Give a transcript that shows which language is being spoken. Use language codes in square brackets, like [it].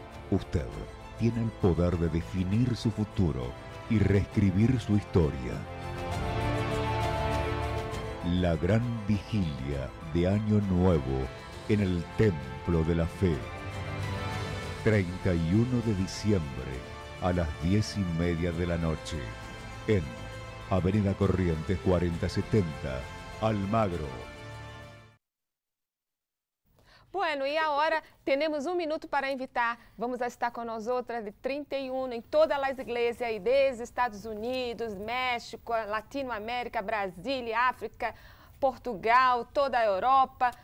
[pt] Usted tem o poder de definir seu futuro e reescrever sua história. [es] La Gran Vigília de Año Nuevo en el Templo de la Fe. 31 de diciembre. A las 10:30 de la noche, en Avenida Corrientes 4070, Almagro. [pt] Bueno, e agora temos um minuto para invitar. Vamos estar com nós outras de 31 em todas as igrejas aí, desde Estados Unidos, México, Latino América, Brasília, África, Portugal, toda a Europa.